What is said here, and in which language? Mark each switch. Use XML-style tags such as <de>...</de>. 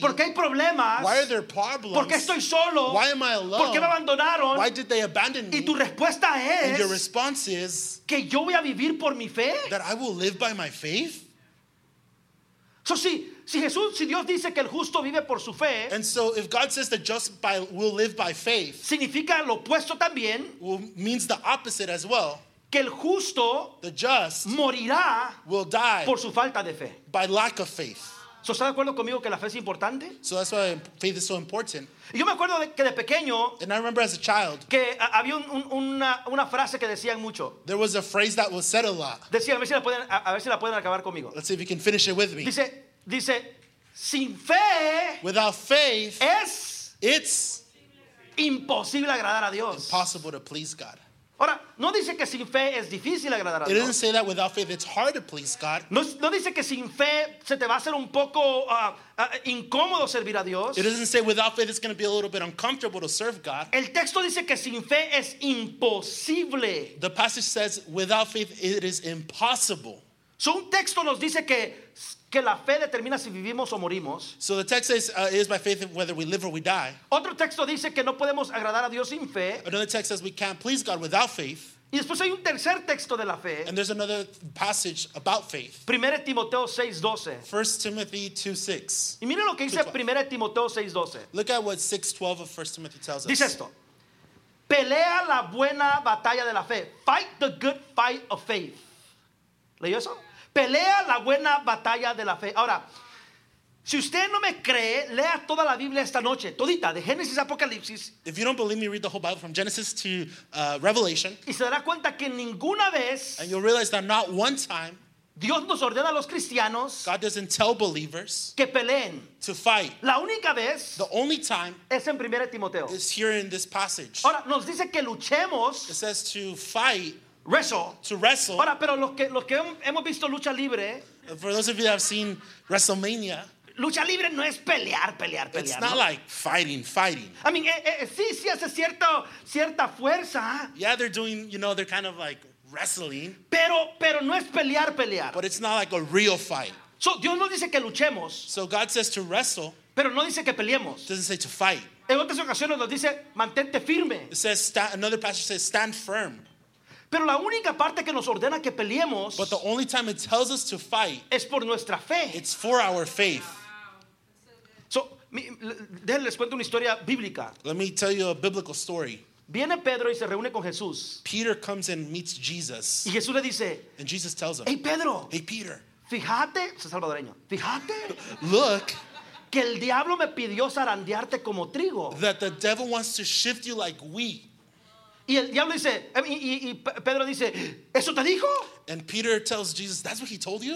<es>¿Por qué hay problemas?</es> <en>Why are there problems?</en> <es>¿Por qué estoy solo?</es> <en>Why am I alone?</en> <es>¿Por qué me abandonaron?</es> <en>Why did they abandon me?</en> <es>Y tu respuesta es,</es> <en>and your response is,</en> <es>que yo voy a vivir por mi fe.</es> <en>That I will live by my faith.</en> <es>So si Jesús, si Dios dice que el justo vive por su fe,</es> <en>and so if God says the just will live by faith,</en> <es>significa lo opuesto también,</es> <en>means the opposite as well.</en> <es>Que el justo,</es> <en>the just,</en> <es>morirá,</es> <en>will die,</en> <es>por su falta de fe,</es> <en>by lack of faith.</en> <es>So, ¿está de acuerdo conmigo que la fe es importante?</es> <en>So that's why faith is so important.</en> <es>Y yo me acuerdo que de pequeño,</es> <en>and I remember as a child,</en> <es>que había una frase que decían mucho.</es> <en>There was a phrase that was said a lot.</en> <es>Decía, a ver si la pueden acabar conmigo.</es> <en>Let's see if you can finish it with me.</en> <es>Dice, sin fe,</es> <en>without faith,</en> <es>es,</es> <en>it's</en> <es>imposible agradar a Dios.</es> <en>Impossible to please God.</en> <es>Ahora, no dice que sin fe es difícil agradar a Dios.</es> <en>It doesn't say that without faith it's hard to please God.</en> <es>No dice que sin fe se te va a hacer un poco incómodo servir a Dios.</es> <en>It doesn't say without faith it's going to be a little bit uncomfortable to serve God.</en> <es>El texto dice que sin fe es imposible.</es> <en>The passage says without faith it is impossible.</en> <es>So un texto nos dice que la fe determina si vivimos o morimos.</es> <en>So the text says it is by faith whether we live or we die.</en> <es>Otro texto dice que no podemos agradar a Dios sin fe.</es> <en>Another text says we can't please God without faith.</en> <es>Y después hay un tercer texto de la fe.</es> <en>And there's another passage about faith.</en> <es>1 Timoteo 6:12.</es> <en>1 Timothy 2:6.</en> <es>Y mira lo que dice 1 Timoteo 6:12.</es> <en>Look at what 6:12 of 1 Timothy tells us.</en> <es>Dice esto. Pelea la buena batalla de la fe.</es> <en>Fight the good fight of faith.</en> <es>¿Leyó eso? Pelea la buena batalla de la fe. Ahora, si usted no me cree, lea toda la Biblia esta noche, todita, de Génesis a Apocalipsis.</es> <en>If you don't believe me, read the whole Bible from Genesis to Revelation.</en> <es>Y se dará cuenta que ninguna vez,</es> <en>and you'll realize that not one time,</en> <es>Dios nos ordena a los cristianos,</es> <en>God doesn't tell believers,</en> <es>que peleen,</es> <en>to fight.</en> <es>La única vez,</es> <en>the only time,</en> <es>es en 1 Timoteo,</es> <en>is here in this passage.</en> <es>Ahora, nos dice que luchemos,</es> <en>it says to fight, wrestle. To wrestle.</en> <es>Ahora, pero los que hemos visto lucha libre.</es> <en>For those of you that have seen WrestleMania.</en> <es>Lucha libre no es pelear.</es> <en>It's,</en> <es>¿no?,</es> <en>not like fighting. I mean,</en> <es>sí hace cierta fuerza.</es> <en>Yeah, they're doing, you know, they're kind of like wrestling.</en> <es>Pero no es pelear.</es> <en>But it's not like a real fight.</en> <es>So Dios no dice que luchemos.</es> <en>So God says to wrestle.</en> <es>Pero no dice que peleemos.</es> <en>Doesn't say to fight.</en> <es>En otras ocasiones nos dice mantente firme.</es> <en>It says another pastor says stand firm.</en> <es>Pero la única parte que nos ordena que peleemos,</es> <en>but the only time it tells us to fight,</en> <es>es por nuestra fe.</es> <en>It's for our faith.</en> <es>Wow. So, les cuento una historia bíblica.</es> <en>Let me tell you a biblical story.</en> <es>Viene Pedro y se reúne con Jesús.</es> <en>Peter comes and meets Jesus.</en> <es>Y Jesús le dice,</es> <en>and Jesus tells him,</en> <es>hey Pedro,</es> <en>hey Peter,</en> <es>fíjate, soy salvadoreño, fíjate,</es> <en>look,</en> <es>que el diablo me pidió zarandearte como trigo.</es> <en>That the devil wants to shift you like wheat.</en> <es>Y el diablo dice, y Pedro dice, ¿eso te dijo?</es> <en>And Peter tells Jesus, that's what he told you?</en>